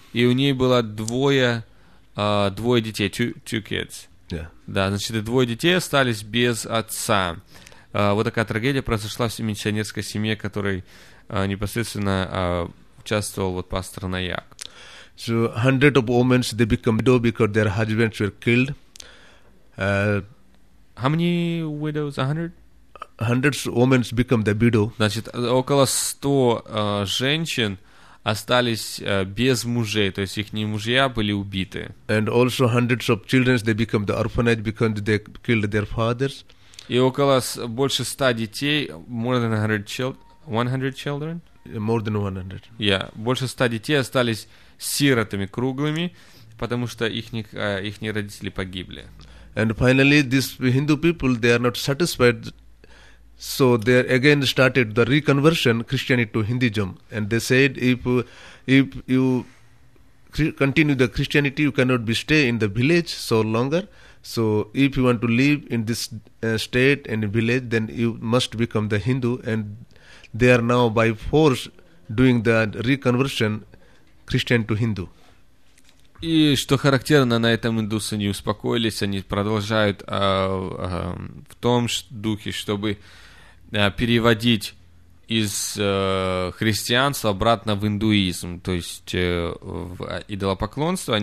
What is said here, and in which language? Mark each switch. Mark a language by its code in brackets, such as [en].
[ru] И у ней было двое детей, [en] two kids. Yeah. [ru] Да, значит, и двое детей остались без отца. Вот такая трагедия произошла в миссионерской семье, которой непосредственно участвовал вот пастор Наяк. [en] So, hundred of women, they become widow because their husbands were killed. How many widows? 100? Hundreds of women become the widow. [ru] Значит, около 100 женщин остались без мужей, то есть их не мужья были убиты. [en] And also hundreds of children, they become the orphanage because they killed their fathers. [ru] И около больше 100 детей, [en] more than 100 children, 100 children? More than 100. Yeah, [ru] больше 100 детей остались сиротами круглыми, потому что их родители погибли. [en] And finally, these Hindu people, they are not satisfied. So they again started the reconversion Christianity to Hinduism. And they said, if you continue the Christianity, you cannot be stay in the village so longer. So if you want to live in this state and village, then you must become the Hindu. And they are now by force doing the reconversion Christian to Hindu. [ru] И что характерно, на этом индусы не успокоились, они продолжают в том духе, чтобы переводить из христианства обратно в индуизм, то есть в идолопоклонство.